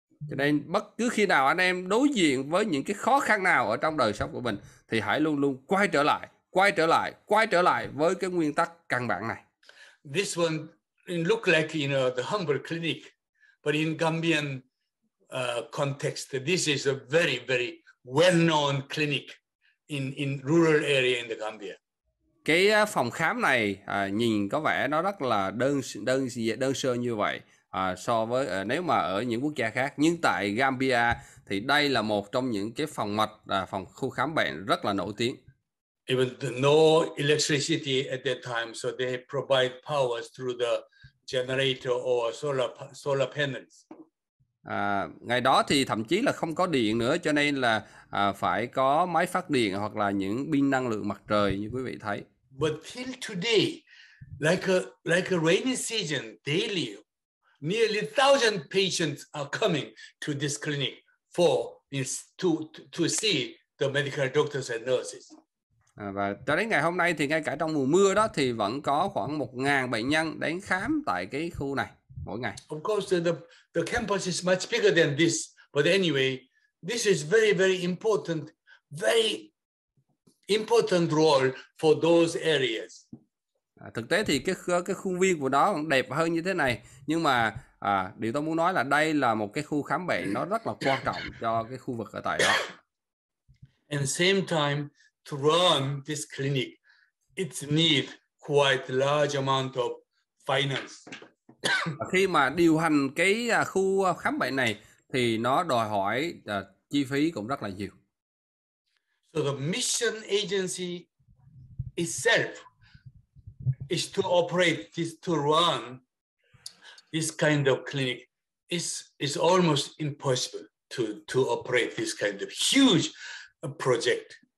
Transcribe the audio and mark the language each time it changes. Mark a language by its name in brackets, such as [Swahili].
[Vietnamese] Cho nên bất cứ khi nào anh em đối diện với những cái khó khăn nào ở trong đời sống của mình, thì hãy luôn luôn quay trở lại với cái nguyên tắc căn bản này. [English] This one look like, you know, the humble clinic, but in Gambian context, this is a very, very well-known clinic in rural area in the Gambia. [Vietnamese] Cái phòng khám này nhìn có vẻ nó rất là đơn sơ như vậy so với nếu mà ở những quốc gia khác, nhưng tại Gambia thì đây là một trong những cái phòng mạch phòng khu khám bệnh rất là nổi tiếng. [English] Even no electricity at that time, so they provide power through the generator or solar panels. [Vietnamese] Ngày đó thì thậm chí là không có điện nữa, cho nên là phải có máy phát điện hoặc là những pin năng lượng mặt trời như quý vị thấy. [English] But till today, like a rainy season, daily, nearly 1,000 patients are coming to this clinic to see the medical doctors and nurses. [Vietnamese] Và cho đến ngày hôm nay thì ngay cả trong mùa mưa đó thì vẫn có khoảng 1,000 bệnh nhân đến khám tại cái khu này mỗi ngày. [English] Of course, the campus is much bigger than this, but anyway, this is very, very important, very important role for those areas. [Vietnamese] Thực tế thì cái khuôn viên của nó đẹp hơn như thế này, nhưng mà điều tôi muốn nói là đây là một cái khu khám bệnh nó rất là quan trọng cho cái khu vực ở tại đó. [English] And same time to run this clinic, it needs quite large amount of finance. [Vietnamese] Khi mà điều hành cái khu khám bệnh này thì nó đòi hỏi chi phí cũng rất là nhiều. [English] So the mission agency itself is to operate this, to run this kind of clinic. It's almost impossible to operate this kind of huge project.